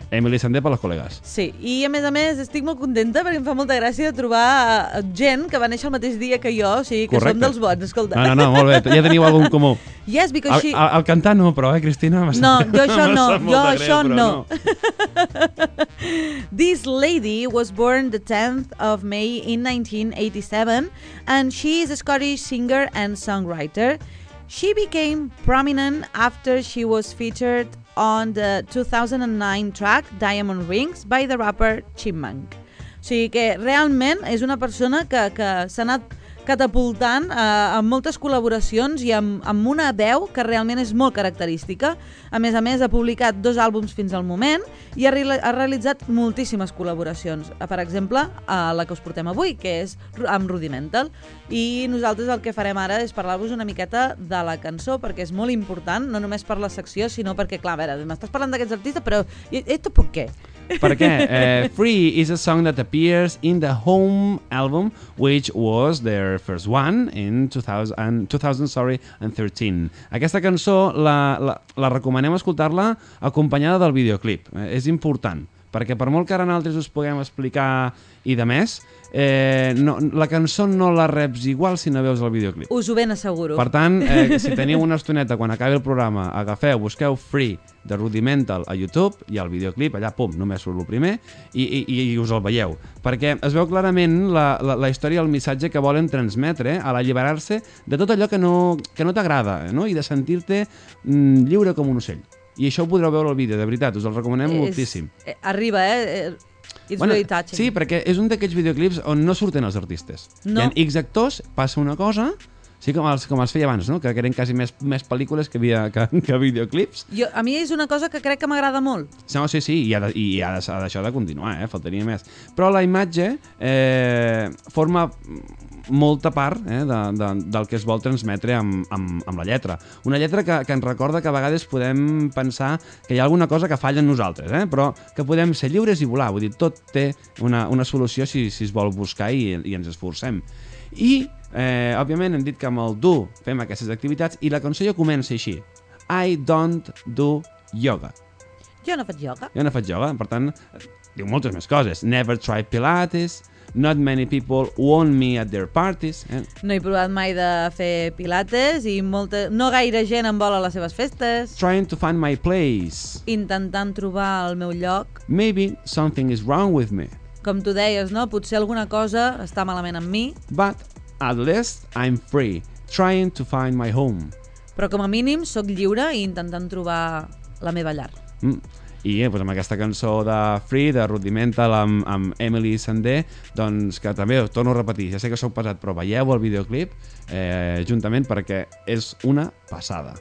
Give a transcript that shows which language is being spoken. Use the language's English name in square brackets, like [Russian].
[Catalan] Emily Sandé per les col·legues. Sí, i a més estic molt contenta perquè em fa molta gràcia trobar gent que va néixer el mateix dia que jo, o sigui, que correcte. Som dels bons, escolta. No, molt bé, ja teniu algun comú. [English] Yes, because she... [Catalan] El cantar no, però, Cristina? No, jo això no, jo això greu, no. [English] This lady was born the 10th of May in 1987 and she is a Scottish singer and songwriter. She became prominent after she was featured on the 2009 track Diamond Rings by the rapper Chipmunk. [Catalan] O sigui que realment és una persona que s'ha anat catapultant amb moltes col·laboracions i amb una veu que realment és molt característica. A més, ha publicat dos àlbums fins al moment i ha realitzat moltíssimes col·laboracions. Per exemple, la que us portem avui, que és amb Rudimental. I nosaltres el que farem ara és parlar-vos una miqueta de la cançó, perquè és molt important, no només per la secció, sinó perquè, clar, a veure, m'estàs parlant d'aquests artistes, però [Spanish] esto por qué? [Catalan] Perquè [English] Free is a song that appears in the Home album, which was their first one in 2013. [Catalan] Aquesta cançó la recomanem escoltar-la acompanyada del videoclip. És important, perquè per molt que ara nosaltres us puguem explicar i de més, no, la cançó no la reps igual si no veus el videoclip. Us ho ben asseguro. Per tant, si teniu una estoneta quan acabi el programa, agafeu, busqueu Free de Rudimental a YouTube i el videoclip, allà, pum, només surt el primer i us el veieu. Perquè es veu clarament la història i el missatge que volen transmetre a l'alliberar-se de tot allò que no t'agrada, no? I de sentir-te lliure com un ocell. I això ho podreu veure al vídeo, de veritat, us el recomanem moltíssim. [English] Arriba, It's bueno, really touching. [Catalan] Sí, perquè és un d'aquells videoclips on no surten els artistes. No. Hi ha X actors, passa una cosa, sí, com els feia abans, no? Que eren quasi més pel·lícules que videoclips. A mi és una cosa que crec que m'agrada molt. No, sí, i ha de continuar, faltaria més. Però la imatge forma molta part del que es vol transmetre amb la lletra. Una lletra que ens recorda que a vegades podem pensar que hi ha alguna cosa que falla en nosaltres, però que podem ser lliures i volar. Vull dir, tot té una solució si es vol buscar i ens esforcem. I, òbviament, hem dit que amb el do fem aquestes activitats i la cançó ja comença així. [English] I don't do yoga. [Catalan] Jo no faig yoga. Jo no faig yoga, per tant, diu moltes més coses. [English] Never try Pilates... Not many people want me at their parties. [Catalan] No he provat mai de fer pilates i no gaire gent em vol a les seves festes. [English] Trying to find my place. [Catalan] Intentant trobar el meu lloc. [English] Maybe something is wrong with me. [Catalan] Com tu deies, no? Potser alguna cosa està malament amb mi. [English] But at least I'm free, trying to find my home. [Catalan] Però com a mínim sóc lliure i intentant trobar la meva llar. I doncs, amb aquesta cançó de Free, de Rudimental, amb Emily Sandé, doncs que també, torno a repetir, ja sé que sou pesat, però veieu el videoclip juntament perquè és una passada.